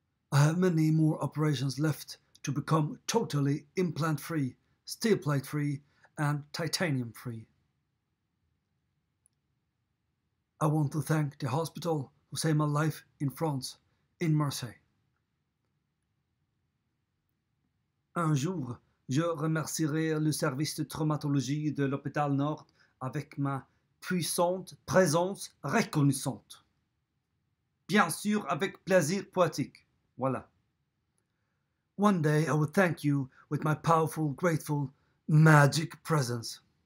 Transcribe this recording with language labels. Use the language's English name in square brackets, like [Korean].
[English] I have many more operations left to become totally implant-free, steel plate-free, and titanium-free. I want to thank the hospital who saved my life in France, in Marseille. [French] Un jour, je remercierai le service de traumatologie de l'hôpital Nord avec ma puissante présence reconnaissante. Bien sûr, avec plaisir poétique. Voilà. [English] One day I will thank you with my powerful, grateful, magic presence.